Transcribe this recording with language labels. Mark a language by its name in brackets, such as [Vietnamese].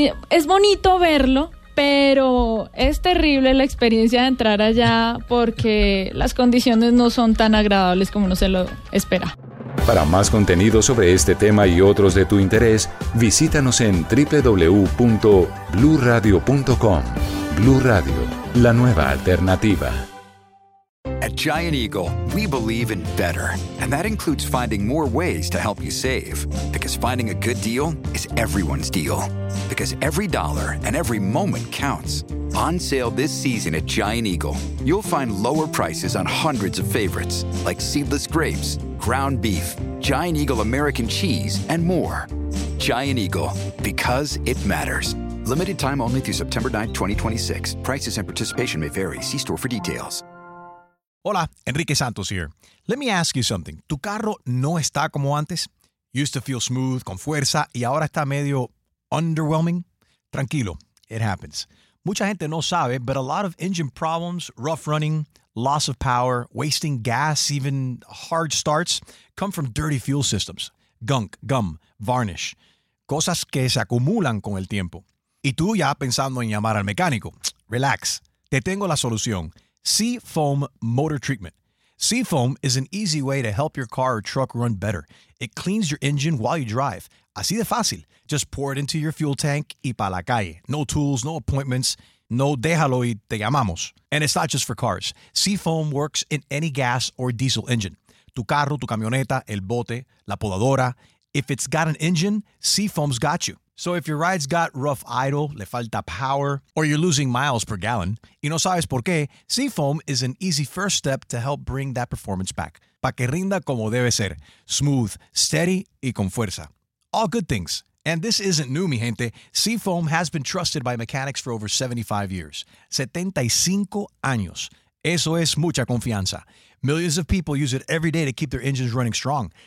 [Spanish] Es bonito verlo, pero es terrible la experiencia de entrar allá porque las condiciones no son tan agradables como uno se lo espera. Para más contenido sobre este tema y otros de tu interés, visítanos en www.bluradio.com. Blue Radio, la nueva alternativa. [English] At Giant Eagle, we believe in better. And that includes finding more ways to help you save. Because finding a good deal is everyone's deal. Because every dollar and every moment counts. On sale this season at Giant Eagle, you'll find lower prices on hundreds of favorites, like seedless grapes, ground beef, Giant Eagle American cheese, and more. Giant Eagle, because it matters. Limited time only through September 9, 2026. Prices and participation may vary. See store for details. Hola, Enrique Santos here. Let me ask you something. [Spanish] ¿Tu carro no está como antes? [English] Used to feel smooth, [Spanish] con fuerza, y ahora está medio underwhelming? [English] Tranquilo, it happens. [Spanish] Mucha gente no sabe, [English] but a lot of engine problems, rough running, loss of power, wasting gas, even hard starts, come from dirty fuel systems. Gunk, gum, varnish. [Spanish] Cosas que se acumulan con el tiempo. Y tú ya pensando en llamar al mecánico. Relax. Te tengo la solución. Seafoam Motor Treatment. [English] Seafoam is an easy way to help your car or truck run better. It cleans your engine while you drive. [Spanish] Así de fácil. [English] Just pour it into your fuel tank [Spanish] y pa' la calle. [English] No tools, no appointments. [Spanish] No déjalo y te llamamos. [English] And it's not just for cars. Seafoam works in any gas or diesel engine. [Spanish] Tu carro, tu camioneta, el bote, la podadora. [English] If it's got an engine, Seafoam's got you. So if your ride's got rough idle, [Spanish] le falta [English] power, or you're losing miles per gallon, [Spanish] y no sabes por qué, [English] Seafoam is an easy first step to help bring that performance back. [Spanish] Pa' que rinda como debe ser. [English] Smooth, steady, [Spanish] y con fuerza. [English] All good things. And this isn't new, [Spanish] mi gente. [English] Seafoam has been trusted by mechanics for over 75 years. [Spanish] 75 años. Eso es mucha confianza. [English] Millions of people use it every day to keep their engines running strong.